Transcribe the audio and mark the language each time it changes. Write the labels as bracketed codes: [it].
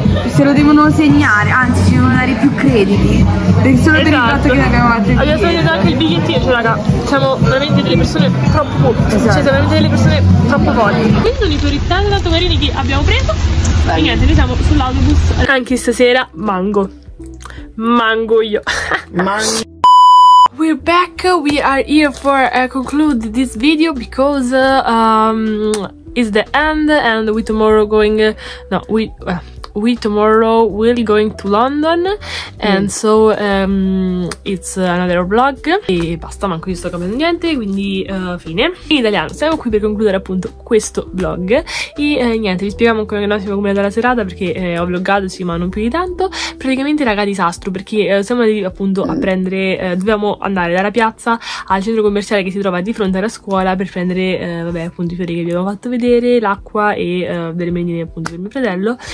[it] Se lo devono segnare, anzi ci devono dare più crediti, perché solo esatto. Per il fatto che abbiamo fatto il bigliettino. Abbiamo anche il bigliettino, cioè raga, siamo veramente delle persone troppo forti, esatto. Cioè siamo veramente delle persone troppo forti. Questi sono i fiori tanto carini che abbiamo preso. Vai. E niente, noi siamo sull'autobus. Anche stasera mango io. Mango. [en] We're back, we are here for conclude this video because it's the end and we tomorrow going, we tomorrow will going to London and so it's another vlog [it] e basta, manco io sto cambiando niente, quindi fine. In italiano, siamo qui per concludere appunto questo vlog e niente, vi spieghiamo ancora un attimo come è andata la serata perché ho vloggato, sì, ma non più di tanto. Praticamente raga, disastro, perché siamo andati appunto a prendere, dobbiamo andare dalla piazza al centro commerciale che si trova di fronte alla scuola per prendere vabbè appunto i fiori che vi abbiamo fatto vedere, l'acqua e delle merendine appunto per mio fratello.